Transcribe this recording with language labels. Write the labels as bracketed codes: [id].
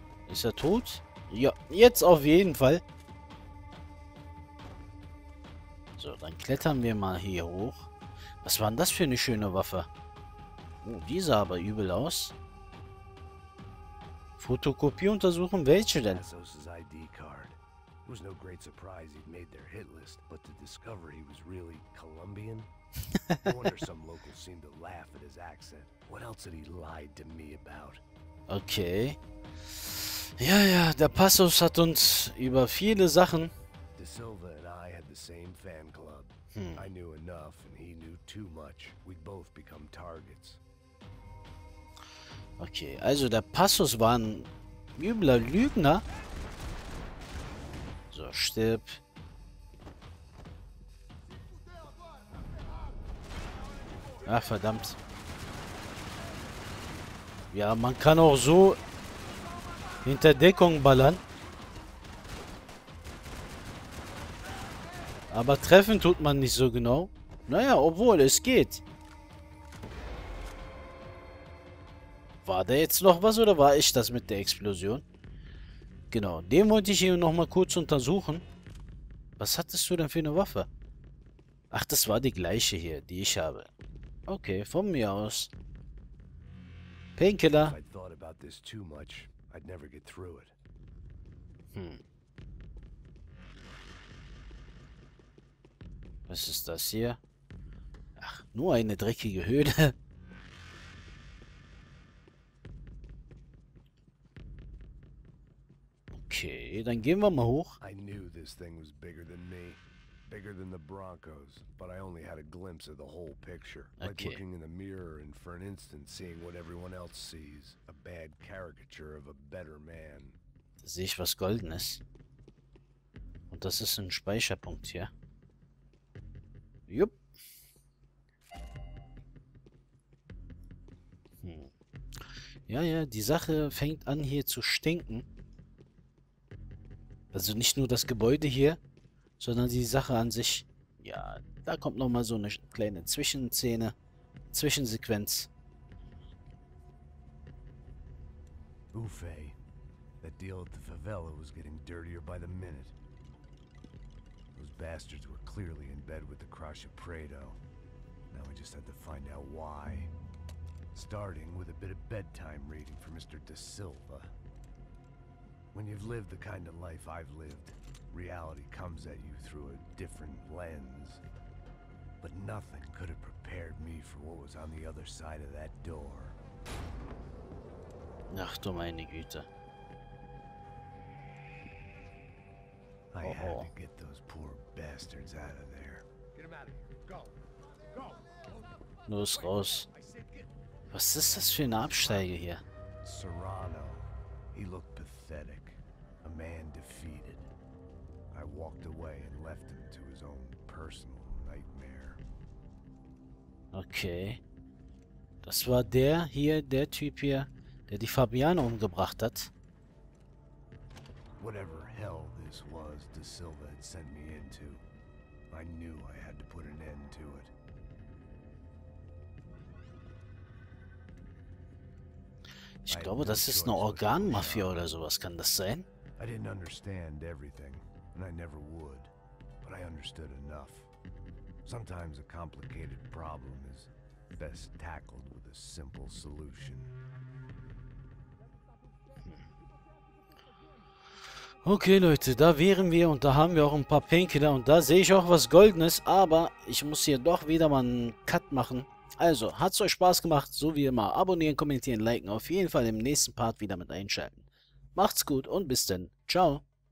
[de] Ist er tot? Ja, jetzt auf jeden Fall. So, dann klettern wir mal hier hoch. Was war denn das für eine schöne Waffe? Oh, die sah aber übel aus. Fotokopie untersuchen, welche denn? [en] SOS's ID card. It was no great surprise he'd made their hit list, but to discover he was really Colombian. I wonder some locals seemed to laugh at his accent. What else had he lied to me about? Okay. [de] Ja, der Passus hat uns über viele Sachen. [en] De Silva and I had the same fan club. I knew enough and he knew too much. We'd both become targets. [de] Okay, also der Passus war ein übler Lügner. So, stirb. Ach, verdammt. Ja, man kann auch so hinter Deckung ballern. Aber treffen tut man nicht so genau. Naja, obwohl, es geht. War da jetzt noch was oder war ich das mit der Explosion? Genau, den wollte ich hier nochmal kurz untersuchen. Was hattest du denn für eine Waffe? Ach, das war die gleiche hier, die ich habe. Okay, von mir aus. Painkiller. [en] If I thought about this too much, I'd never get through it. [de] Was ist das hier? Ach, nur eine dreckige Höhle. Okay, dann gehen wir mal hoch. [en] I knew this thing was bigger than me. Bigger than the Broncos, but I only had a glimpse of the whole picture. Okay. Like looking in the mirror and for an instant seeing what everyone else sees. A bad caricature of a better man. [de] Da sehe ich was Goldenes. Und das ist ein Speicherpunkt hier. Jupp. Ja, ja, die Sache fängt an hier zu stinken. Also nicht nur das Gebäude hier. Sondern die Sache an sich, ja, da kommt noch mal so eine kleine Zwischenszene, Zwischensequenz. [en] Ufe, that deal at the favela was getting dirtier by the minute. Those bastards were clearly in bed with the crush of Prado. Now we just had to find out why. Starting with a bit of bedtime reading for Mr. Da Silva. When you've lived the kind of life I've lived, reality comes at you through a different lens. But nothing could have prepared me for what was on the other side of that door. [de] Ach du meine Güte. [en] I had to get those poor bastards out of there. Get them out of here. Go. Go. [de] Los, raus. Was ist das für eine Absteige hier? [en] Serrano. He looked pathetic. A man defeated. I walked away and left him to his own personal nightmare. Okay. [de] Das war der hier, der Typ hier, der die Fabiana umgebracht hat. [en] Whatever hell this was, Da Silva had sent me into. I knew I had to put an end to it. [de] Ich glaube, das ist eine Organmafia oder sowas, kann das sein? [en] I didn't understand everything, and I never would, but I understood enough. Sometimes a complicated problem is best tackled with a simple solution. [de] Okay, Leute, da wären wir und da haben wir auch ein paar Painkiller und da sehe ich auch was Goldenes, aber ich muss hier doch wieder mal einen Cut machen. Also, hat's euch Spaß gemacht, so wie immer, abonnieren, kommentieren, liken, auf jeden Fall im nächsten Part wieder mit einschalten. Macht's gut und bis dann. Ciao.